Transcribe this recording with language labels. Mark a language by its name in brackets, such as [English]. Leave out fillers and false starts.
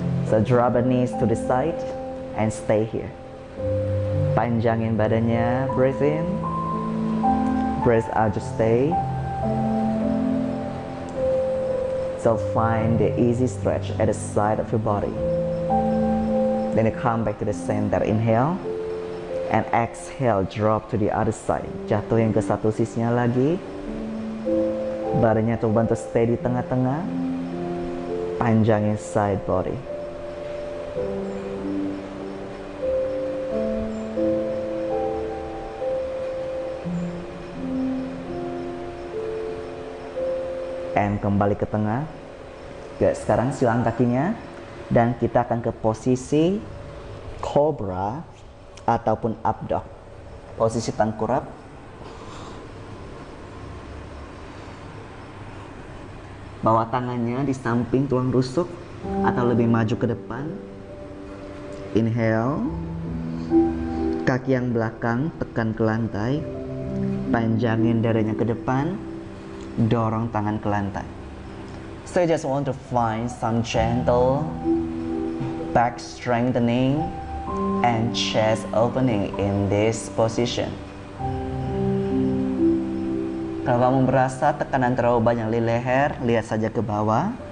[English] So drop the knees to the side and stay here. [Indonesian] Panjangin badannya, [English] breathe in. Breathe out, just stay. So find the easy stretch at the side of your body. Then you come back to the center, inhale. And exhale, drop to the other side. [Indonesian] Jatuhin ke satu sisinya lagi. Badannya coba untuk stay di tengah-tengah. Panjangin side body. And kembali ke tengah. Good. Sekarang silang kakinya. Dan kita akan ke posisi cobra ataupun up dog. Posisi tengkurap. Bawa tangannya di samping tulang rusuk atau lebih maju ke depan. Inhale. Kaki yang belakang tekan ke lantai. Panjangin dadanya ke depan. Dorong tangan ke lantai. [English] So I just want to find some gentle back strengthening and chest opening in this position. [Indonesian] Kalau kamu merasa tekanan terlalu banyak di leher, lihat saja ke bawah.